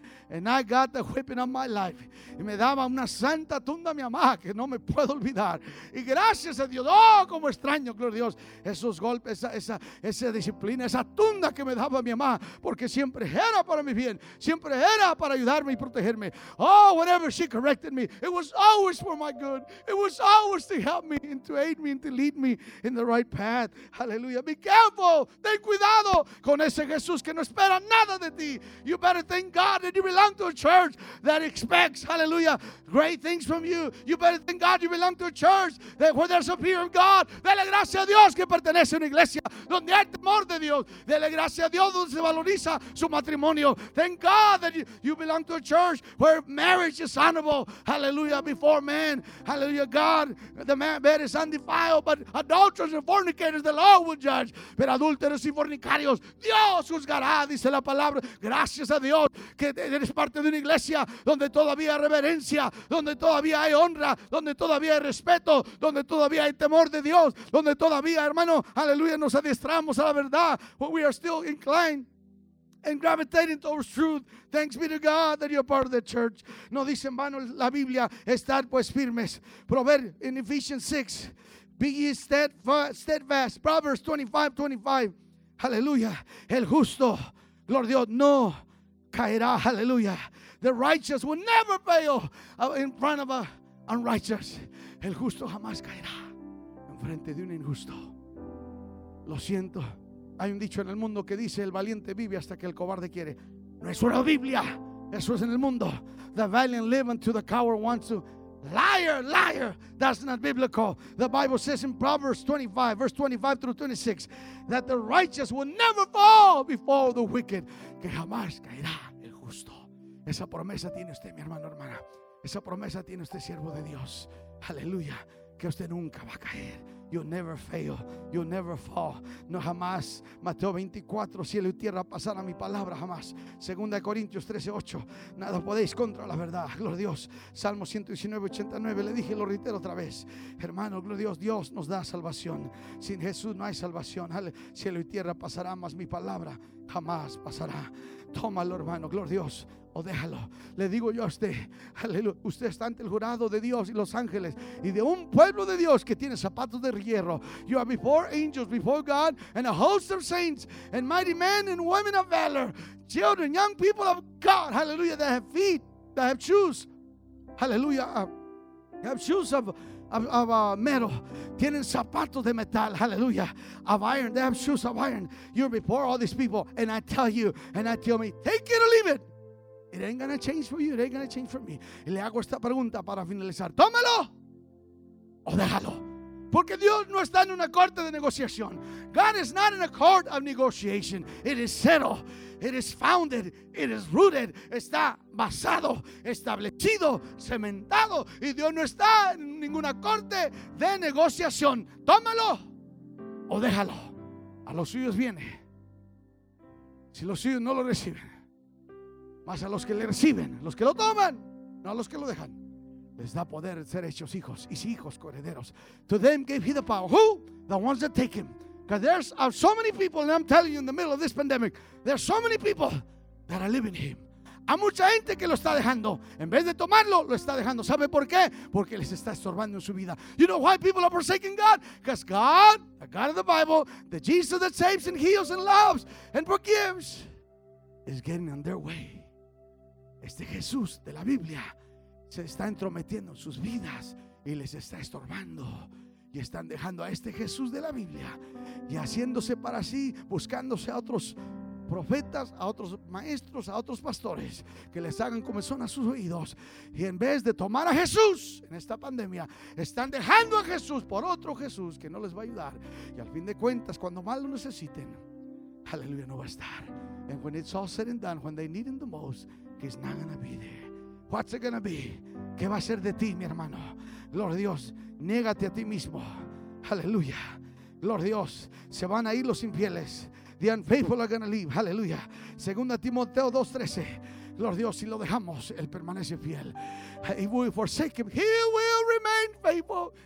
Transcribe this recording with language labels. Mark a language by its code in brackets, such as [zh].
[en] And I got the whipping of my life. [es] Y me daba una santa tunda a mi mamá que no me puedo olvidar. Y gracias a Dios, oh, como extraño, gloria a Dios, esos golpes, esa disciplina, esa tunda que me daba mi mamá, porque siempre era para mi bien, siempre era para ayudarme y protegerme. [en] Oh, whenever she corrected me, it was always for my good. It was always to help me and to aid me and to lead me in the right path. Hallelujah. Be careful. [es] Ten cuidado con ese Jesús que no espera nada de ti. [en] You better thank God that you belong to a church that expects, hallelujah, great things from you. You better thank God you belong to a church that where there's a fear of God. [es] Dele gracias a Dios que pertenece a una iglesia donde hay temor de Dios. Dele gracias a Dios donde se valoriza su matrimonio. [en] Thank God that you belong to a church where marriage is honorable, hallelujah, before men. Hallelujah, God, the man is undefiled, but adulterers and fornicators, the law will judge. [es] Pero adúlteros y fornicarios, Dios juzgará, dice la palabra. Gracias a Dios que eres parte de una iglesia donde todavía hay reverencia, donde todavía hay honra, donde todavía hay respeto, donde todavía hay temor de Dios, donde todavía, hermano, aleluya, nos adiestramos a la verdad. [en] But we are still inclined and gravitating towards truth. Thanks be to God that you're part of the church. [es] No dice en vano la Biblia, estar pues firmes. [en] Proverbs in Ephesians 6, be ye steadfast. [es] Proverbs 25:25. Aleluya. El justo, gloria a Dios, no caerá, hallelujah. [en] The righteous will never fail in front of a unrighteous. [es] El justo jamás caerá en frente de un injusto. Lo siento. Hay un dicho en el mundo que dice, el valiente vive hasta que el cobarde quiere. No es una Biblia. Eso es en el mundo. [en] The valiant live until the coward wants to. Liar, liar. That's not biblical. The Bible says in Proverbs 25, verse 25 through 26, that the righteous will never fall before the wicked. [es] Que jamás caerá el justo. Esa promesa tiene usted, mi hermano, hermana. Esa promesa tiene este siervo de Dios. Aleluya. Que usted nunca va a caer. [en] You'll never fail. You'll never fall. [es] No jamás. Mateo 24. Cielo y tierra pasarán mi palabra jamás. 2 Corintios 13:8. Nada podéis contra la verdad. Gloria a Dios. Salmo 119:89. Le dije, lo reitero otra vez. Hermano, gloria a Dios. Dios nos da salvación. Sin Jesús no hay salvación. Cielo y tierra pasará, mas mi palabra jamás pasará. Tómalo, hermano. Gloria a Dios. O déjalo, le digo yo a usted, aleluya. Usted está ante el jurado de Dios y los ángeles y de un pueblo de Dios que tiene zapatos de hierro. [en] You are before angels, before God, and a host of saints, and mighty men and women of valor, children, young people of God, aleluya, that have feet, that have shoes, aleluya, have shoes of metal, [es] tienen zapatos de metal, [en] aleluya, of iron, they have shoes of iron. You're before all these people, and I tell you, and I tell me, take it or leave it. It ain't gonna change for you, it ain't gonna change for me. [es] Y le hago esta pregunta para finalizar: tómalo o déjalo. Porque Dios no está en una corte de negociación. [en] God is not in a court of negotiation. It is settled, it is founded, it is rooted. [es] Está basado, establecido, cementado. Y Dios no está en ninguna corte de negociación. Tómalo o déjalo. A los suyos viene. Si los suyos no lo reciben, más a los que le reciben, los que lo toman, no a los que lo dejan, les da poder ser hechos hijos, y si hijos, coherederos. [en] To them gave he the power. Who? The ones that take him. Because there's so many people, and I'm telling you, in the middle of this pandemic, there's so many people that are leaving him. [es] A mucha gente que lo está dejando. En vez de tomarlo, lo está dejando. ¿Sabe por qué? Porque les está estorbando en su vida. [en] You know why people are forsaking God? Because God, the God of the Bible, the Jesus that saves and heals and loves and forgives, is getting in their way. [es] Este Jesús de la Biblia se está entrometiendo en sus vidas y les está estorbando. Y están dejando a este Jesús de la Biblia y haciéndose para sí, buscándose a otros profetas, a otros maestros, a otros pastores que les hagan comezón a sus oídos. Y en vez de tomar a Jesús en esta pandemia, están dejando a Jesús por otro Jesús que no les va a ayudar. Y al fin de cuentas, cuando más lo necesiten, aleluya, no va a estar. [en] And when it's all said and done, when they need him the most, he's not going to be there. What's it going to be? [es] ¿Qué va a ser de ti, mi hermano? Gloria a Dios, niégate a ti mismo. Aleluya. Gloria a Dios, se van a ir los infieles. [en] The unfaithful are going to leave. [es] Aleluya. 2 Timoteo 2:13. Gloria a Dios, si lo dejamos, él permanece fiel. [en] If we forsake him, he will remain faithful.